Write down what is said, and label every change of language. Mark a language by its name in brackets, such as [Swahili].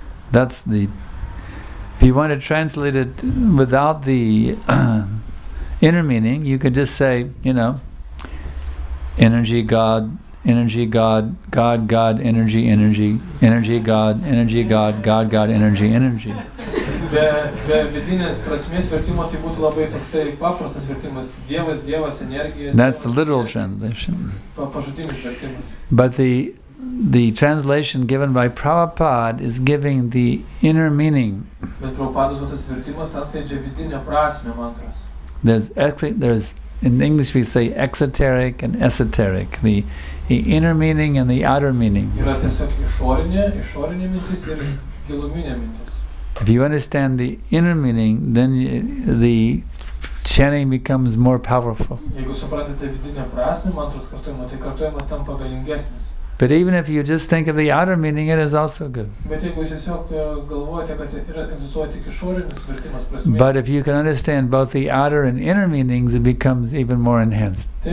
[English] That's the, if you want to translate it without the inner meaning, you could just say, you know, energy, God, God, God, energy, energy, energy, God, God, God, energy, energy. [Lithuanian] Be vidinės prasmės vertimo, tai būtų labai toksai paprastas vertimas. Dievas, Dievas, energija. [English] That's the literal translation. [Lithuanian] Pažodinis vertimas. [English] But the translation given by Prabhupada is giving the inner meaning. [Lithuanian] Bet Prabhupada duotas vertimas atskleidžia vidinę prasmę mantros. [English] There's in English we say exoteric and esoteric, the inner meaning and the outer meaning. [Lithuanian] Yra tiesiog išorinė mintis ir giluminė mintis. [English] If you understand the inner meaning, then the chanting becomes more powerful. [Lithuanian] Jeigu supratėte vidinę prasmę mantros kartojimo, tai kartojimas tampa galingesnis. [English] But even if you just think of the outer meaning, it is also good. But if you can understand both the outer and inner meanings, it becomes even more enhanced.